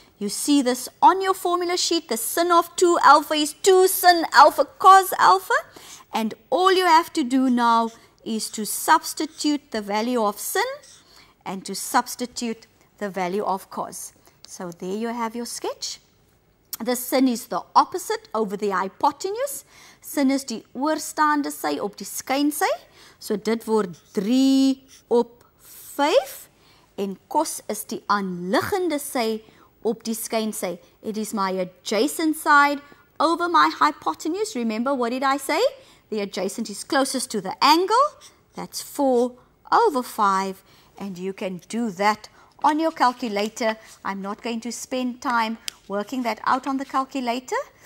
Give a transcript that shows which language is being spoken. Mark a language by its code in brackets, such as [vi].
[en] You see this on your formula sheet. The sin of 2 alpha is 2 sin alpha cos alpha. And all you have to do now is to substitute the value of sin and to substitute the value of cos. So there you have your sketch. The sin is the opposite over the hypotenuse. [af] Sin is die oorstaande sy op die skynsy. So dit word 3 op 5. En cos is die aanliggende sy op die skynsy. [en] It is my adjacent side over my hypotenuse. Remember, what did I say? The adjacent is closest to the angle. That's 4 over 5. And you can do that on your calculator. I'm not going to spend time working that out on the calculator.